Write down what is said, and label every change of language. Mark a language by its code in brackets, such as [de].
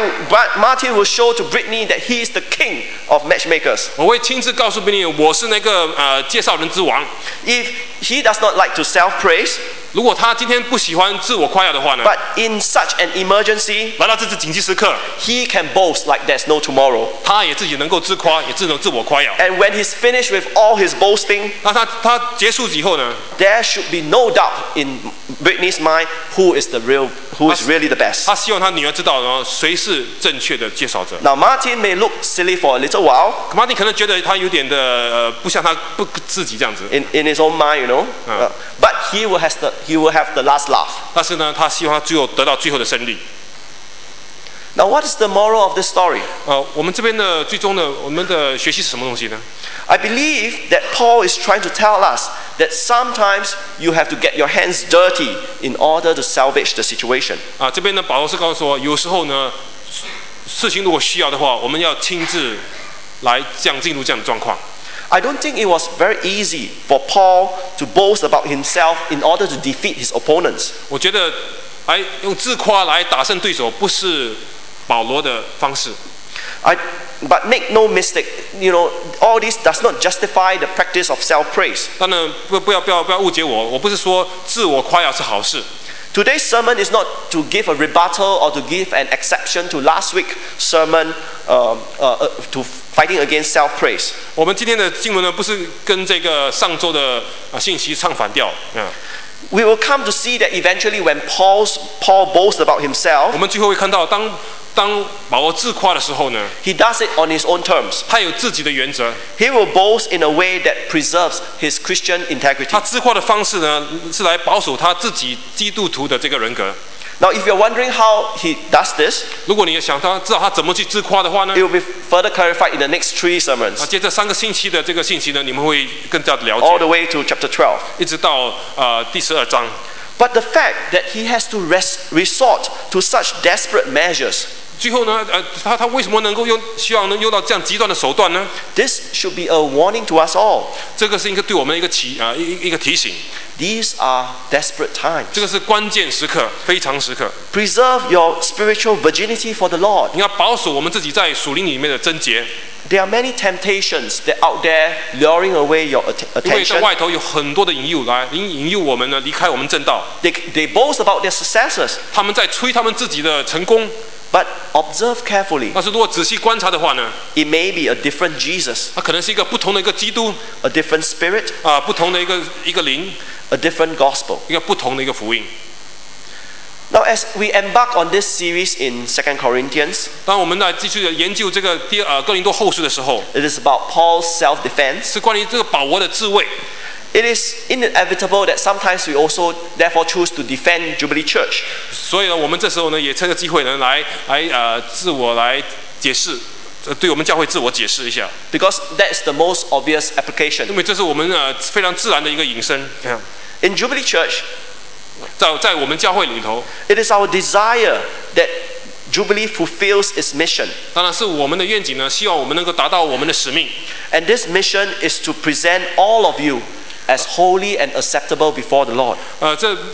[en] But Martin will show to Britney that he is the king of matchmakers. [zh] 我会亲自告诉 Britney 我是那个介绍人之王。 [en] If he does not like to self-praise, [zh] 如果他今天不喜欢自我夸耀的话呢 [en] ？But in such an emergency, [zh] 来到这次紧急时刻 [en] ，he can boast like there's no tomorrow. [zh] 他也自己能够自夸，也自能自我夸耀。 [en] And when he's finished with all his boasting, [zh] 那他结束以后呢 [en] ？There should be no doubt in Britney's mind who is the real, who is really the best. [zh] 他希望他女儿知道呢，谁是正确的介绍者。 [en] Now Martin may look silly for a little while. [zh] Martin 可能觉得他有点的不像他不自己这样子。 [en] In his own mind, you know. But he will have the last laugh. [zh] 但是呢，他希望他最后得到最后的胜利。 [en] Now, what is the moral of this story? [zh] 我们这边的最终的我们的学习是什么东西呢 [en] ？I believe that Paul is trying to tell us that sometimes you have to get your hands dirty in order to salvage the situation. [zh] 这边呢，保罗是告诉我，有时候呢，事情如果需要的话，我们要亲自来进入这样的状况。 [en] I don't think it was very easy for Paul to boast about himself in order to defeat his opponents. [zh] 我觉得，用自夸来打胜对手不是保罗的方式。 [en] But make no mistake, you know, all this does not justify the practice of self-praise. [zh] 当然，不要误解我，我不是说自我夸耀是好事。 [en] Today's sermon is not to give a rebuttal or to give an exception to last week's sermon, to fighting against self-praise. [zh] 我们今天的经文呢，不是跟这个上周的信息唱反调。 [en] We will come to see that eventually when Paul boasts about himself, [zh] 我们最后会看到当保罗自夸的时候呢， [en] he does it on his own terms. [zh] 他有自己的原则。 [en] He will boast in a way that preserves his Christian integrity. [zh] 他自夸的方式呢，是来保守他自己基督徒的这个人格。 [en] Now, if you're wondering how he does this, [zh] 如果你想他知道他怎么去自夸的话呢， [en] it will be further clarified in the next three sermons. [zh] 接着三个星期的这个信息呢，你们会更加了解。 [en] All the way to chapter 12. [zh] 一直到第十二章。 [en] But the fact that he has to resort to such desperate measures. [zh] 最后呢，他为什么能够用到这样极端的手段呢？ [en] This should be a warning to us all. [zh] 这个是应该对我们一个提醒。 [en] These are desperate times. [zh] 这个是关键时刻，非常时刻。 [en] Preserve your spiritual virginity for the Lord. [zh] 你要保守我们自己在属灵里面的贞洁。 [en] There are many temptations that out there luring away your attention. [zh] 因为在外头有很多的引诱来引诱我们呢，离开我们正道。 [en] They boast about their successes. [zh] 他们在吹他们自己的成功。 [en] But observe carefully. [zh] 但是如果仔细观察的话呢， [en] it may be a different Jesus. [zh] 它可能是一个不同的一个基督。 [en] A different spirit. [zh] 不同的一个灵。 [en] A different gospel. [zh] 一个不同的一个福音。 [en] Now, as we embark on this series in 2 Corinthians, [zh] 当我们来继续研究这个哥林多后书的时候， [en] it is about Paul's self-defense. [zh] 是关于这个保罗的自卫。 [en] It is inevitable that sometimes we also therefore choose to defend Jubilee Church. [zh] 所以呢，我们这时候呢，也趁着机会呢，来自我来解释，对我们教会自我解释一下。 [en] Because that is the most obvious application. [zh] 因为这是我们非常自然的一个引申。 [en] In Jubilee Church. [zh] 在我们教会里头， [en] it is our desire that Jubilee fulfills its mission. [zh] 当然是我们的愿景呢，希望我们能够达到我们的使命。 [en] And this mission is to present all of you as holy and acceptable before the Lord.